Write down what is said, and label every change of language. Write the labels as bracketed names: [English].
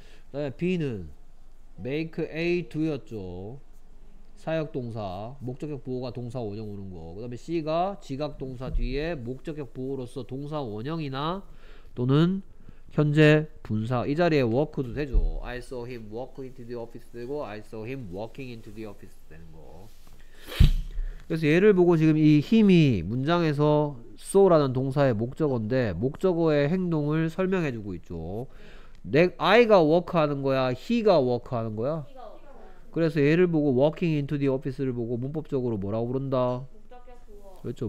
[Korean] 그다음에 B는 [English] make A do [Korean] 였죠. 사역동사, 목적격 보호가 동사 원형 오는 거. 그 다음에 C가 지각동사 뒤에 목적격 보호로서 동사 원형이나 또는 현재 분사, 이 자리에 walk도 되죠. [English] I saw him walk into the office [Korean] 되고 [English] I saw him walking into the office [Korean] 되는 거. 그래서 얘를 보고 지금 이 힘이 문장에서 saw라는 동사의 목적어인데 목적어의 행동을 설명해주고 있죠. 아이가 워크 하는 거야? he가 워크 하는 거야? 그래서 얘를 보고 [English] walking into the office [Korean] 를 보고 문법적으로 뭐라고 부른다? 그렇죠.